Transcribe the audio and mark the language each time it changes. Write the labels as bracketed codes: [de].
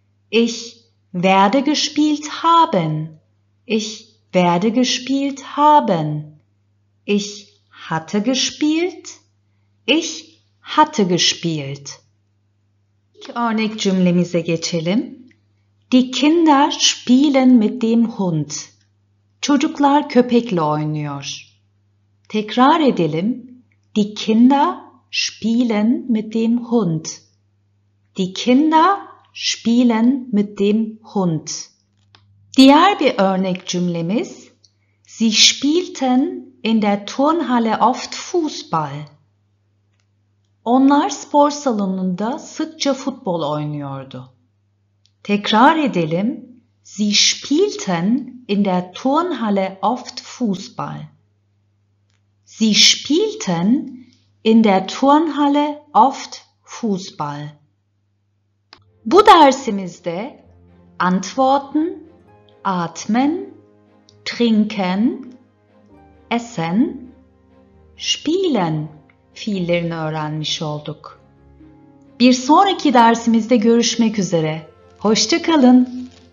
[de] Ich werde gespielt haben. Ich werde gespielt haben. Ich hatte gespielt. Ich hatte gespielt. [tr] İlk örnek cümlemize geçelim. [de] Die Kinder spielen mit dem Hund. [tr] Çocuklar köpekle oynuyor. Tekrar edelim. [de] Die Kinder spielen mit dem Hund. Die Kinder spielen mit dem Hund. [tr] Diğer bir örnek cümlemiz. [de] Sie spielten in der Turnhalle oft Fußball. [tr] Onlar spor salonunda sıkça futbol oynuyordu. Tekrar edelim. [de] Sie spielten in der Turnhalle oft Fußball. Sie spielten in der Turnhalle oft Fußball. [tr] Bu dersimizde antworten, atmen, trinken, essen, spielen fiillerini öğrenmiş olduk. Bir sonraki dersimizde görüşmek üzere. Hoşça kalın.